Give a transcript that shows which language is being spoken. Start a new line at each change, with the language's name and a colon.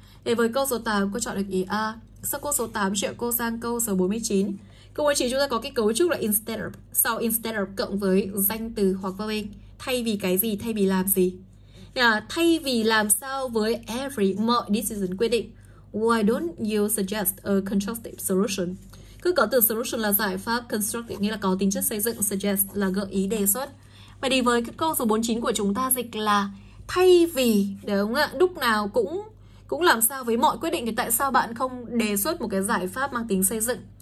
Vietnamese: Thế với câu số 8 cô chọn được ý A. Sau câu số 8 chuyển cô sang câu số 49. Câu 19 chúng ta có cái cấu trúc là instead of. Sau instead of cộng với danh từ hoặc vào bên. Thay vì cái gì, thay vì làm gì. Thay vì làm sao với every, mọi decision quyết định.
English: Why don't you suggest a constructive solution?
Vietnamese: Cứ có từ solution là giải pháp, constructive nghĩa là có tính chất xây dựng, suggest là gợi ý, đề xuất. Vậy thì với cái câu số 49 của chúng ta dịch là thay vì, đúng không ạ, lúc nào cũng làm sao với mọi quyết định thì tại sao bạn không đề xuất một cái giải pháp mang tính xây dựng?